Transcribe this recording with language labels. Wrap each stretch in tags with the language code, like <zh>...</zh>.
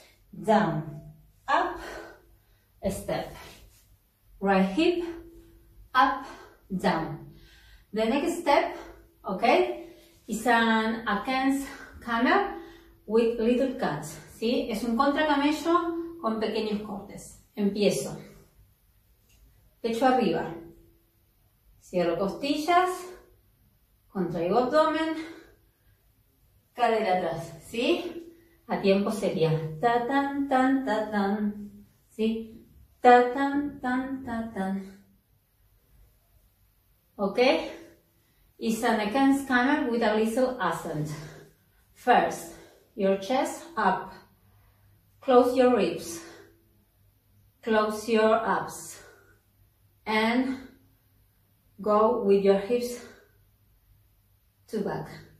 <en>Down, up, step, right hip, up, down. The next step, okay, is an against camel with little cuts, ¿sí?</en> <es>Es un contra camello con pequeños cortes. Empiezo, pecho arriba, cierro costillas, contraigo abdomen, cadera atrás, ¿sí? A tiempo sería ta tan tan ta tan, ¿sí? Ta tan tan ta tan.</es> <en>Ok, it's an against camel with a little accent. First, your chest up, close your ribs, close your abs, and go with your hips to back.</en>